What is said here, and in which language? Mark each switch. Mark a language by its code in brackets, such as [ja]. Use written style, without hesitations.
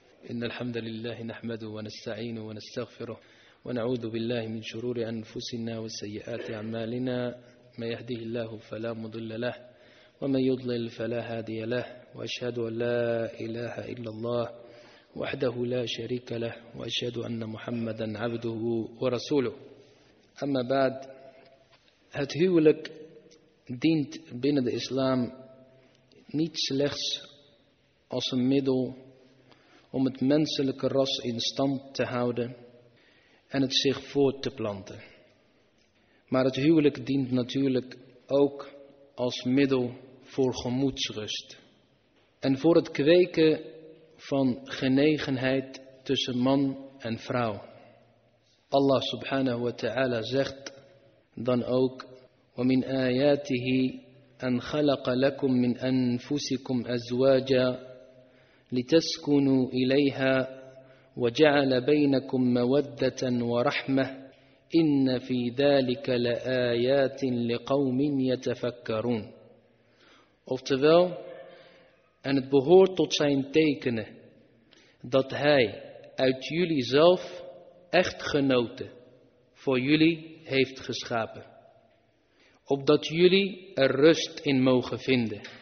[ar] إن الحمد لله نحمده ونستعينه ونستغفره ونعوذ بالله من شرور أنفسنا وسيئات أعمالنا، ما يهده الله فلا مضل له ومن يضلل فلا هادي له، وأشهد أن لا إله إلا الله وحده لا شريك له، وأشهد أن محمدا عبده ورسوله. أما بعد، [nl] het huwelijk dient binnen de islam niet slechts als een middel om het menselijke ras in stand te houden en het zich voort te planten. Maar het huwelijk dient natuurlijk ook als middel voor gemoedsrust en voor het kweken van genegenheid tussen man en vrouw. [ar] Allah subhanahu wa ta'ala [nl] zegt dan ook: [ar] وَمِنْ آيَاتِهِ أَنْ خَلَقَ لَكُمْ مِنْ أَنْفُسِكُمْ أَزْوَاجًا لِتَسْكُنُوا إِلَيْهَا وَجَعَلَ بَيْنَكُمْ مَوَدَّةً وَرَحْمَةً إِنَّ فِي ذَلِكَ لَآيَاتٍ لِقَوْمٍ يَتَفَكَّرُونَ. [nl] Oftewel, en het behoort tot zijn tekenen dat hij uit jullie zelf echtgenoten voor jullie heeft geschapen, opdat jullie er rust in mogen vinden.